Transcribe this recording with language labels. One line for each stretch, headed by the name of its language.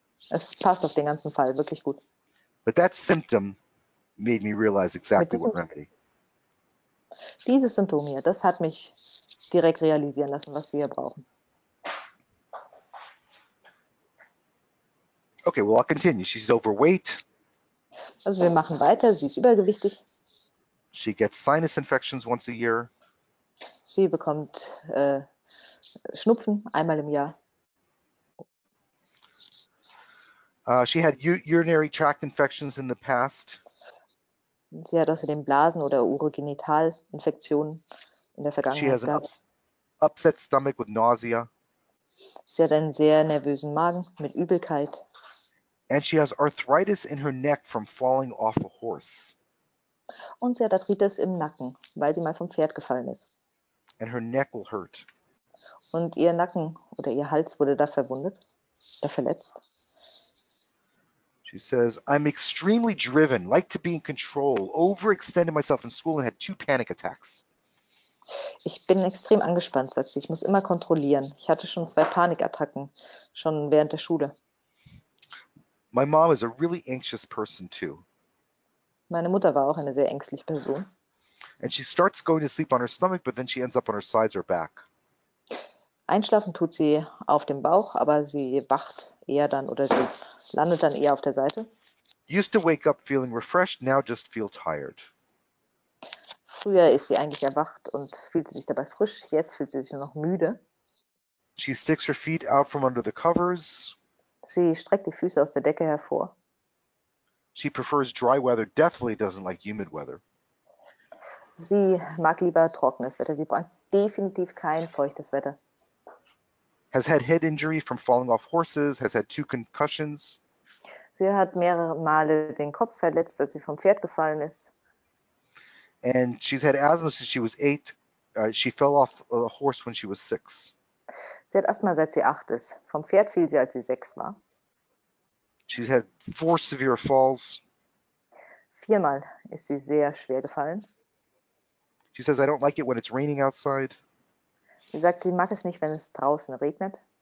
German: Es passt auf den ganzen Fall wirklich gut.
English: But that symptom made me realize
German: Mit
English: exactly what
German: diesem,
English: remedy.
German: dieses Symptom hier, das hat mich direkt realisieren lassen, was wir hier brauchen.
English: Okay, well, I'll continue. She's overweight.
German: Also wir machen weiter, sie ist übergewichtig.
English: She gets sinus infections once a year.
German: Sie bekommt Schnupfen einmal im Jahr.
English: She had u urinary tract infections in the past.
German: Sie hat außerdem Blasen- oder Urogenitalinfektionen in der
English: She has an
German: gehabt.
English: upset stomach with nausea.
German: Sie hat einen sehr nervösen Magen mit Übelkeit.
English: And she has arthritis in her neck from falling off a horse.
German: Und sie hat Arthritis im Nacken, weil sie mal vom Pferd gefallen ist.
English: And her neck will hurt.
German: Und ihr Nacken oder ihr Hals wurde da verwundet, da verletzt.
English: She says, I'm extremely driven, like to be in control, overextended myself in school and had two panic attacks.
German: Ich bin extrem angespannt, sagt sie. Ich muss immer kontrollieren. Ich hatte schon zwei Panikattacken, schon während der Schule.
English: My mom is a really anxious person too.
German: Meine Mutter war auch eine sehr ängstliche Person.
English: And she starts going to sleep on her stomach, but then she ends up on her sides or back.
German: Einschlafen tut sie auf dem Bauch, aber sie wacht eher dann oder sie landet dann eher auf der Seite.
English: Used to wake up feeling refreshed, now just feel tired.
German: Früher ist sie eigentlich erwacht und fühlte sich dabei frisch. Jetzt fühlt sie sich nur noch müde.
English: She sticks her feet out from under the covers.
German: Sie streckt die Füße aus der Decke hervor.
English: She prefers dry weather, definitely doesn't like humid weather.
German: Sie mag lieber trockenes Wetter. Sie braucht definitiv kein feuchtes Wetter.
English: Has had head injury from falling off horses, has had two concussions.
German: Sie hat mehrere Male den Kopf verletzt, als sie vom Pferd gefallen ist.
English: And she's had asthma since she was 8. She fell off a horse when she was 6.
German: Sie hat Asthma, seit sie 8 ist. Vom Pferd fiel sie, als sie 6 war.
English: She's had four severe falls.
German: Viermal ist sie sehr schwer gefallen.
English: She says, I don't like it when it's raining outside.
German: Sie sagt, sie mag es nicht, wenn es draußen regnet.